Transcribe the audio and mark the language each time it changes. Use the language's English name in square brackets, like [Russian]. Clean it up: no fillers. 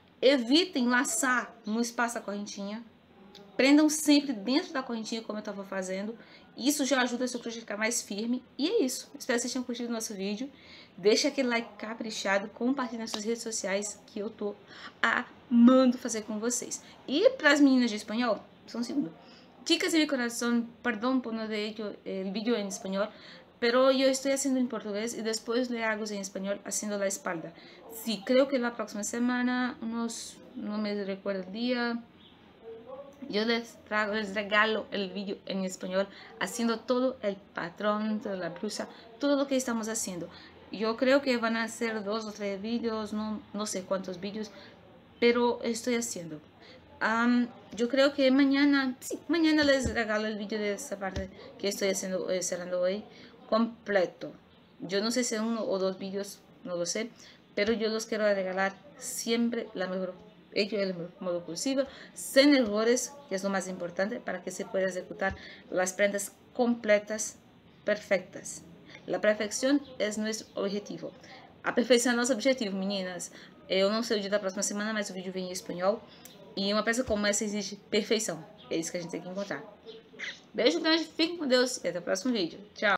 [Portuguese] Evitem laçar no espaço da correntinha. Prendam sempre dentro da correntinha, como eu estava fazendo. Isso já ajuda o seu crochê a ficar mais firme. E é isso. Espero que vocês tenham curtido o nosso vídeo. Deixa aquele like caprichado. Compartilhe nas suas redes sociais que eu tô amando fazer com vocês. E para as meninas de espanhol, só um segundo. [Spanish] Chicas de mi corazón, perdón por no haber hecho el video en español, pero yo estoy haciendo en portugués y después le hago en español haciendo la espalda. Sí, creo que la próxima semana, no me recuerdo el día, yo les regalo el video en español haciendo todo el patrón, toda la blusa, todo lo que estamos haciendo. Yo creo que van a ser 2 o 3 videos, no sé cuántos videos, pero estoy haciendo. Yo creo que mañana, sí, mañana les regalo el vídeo de esta parte que estoy haciendo, cerrando hoy, completo. Yo no sé si 1 o 2 vídeos, no lo sé, pero yo los quiero regalar siempre la mejor, hecho el mejor modo posible, sin errores, que es lo más importante, para que se pueda ejecutar las prendas completas, perfectas. La perfección es nuestro objetivo. [Portuguese] A perfeição é nosso objetivo, meninas. Eu não sei o dia da próxima semana, mas o vídeo vem em espanhol. E uma peça como essa exige perfeição. É isso que a gente tem que encontrar. Beijo grande, fiquem com Deus e até o próximo vídeo. Tchau!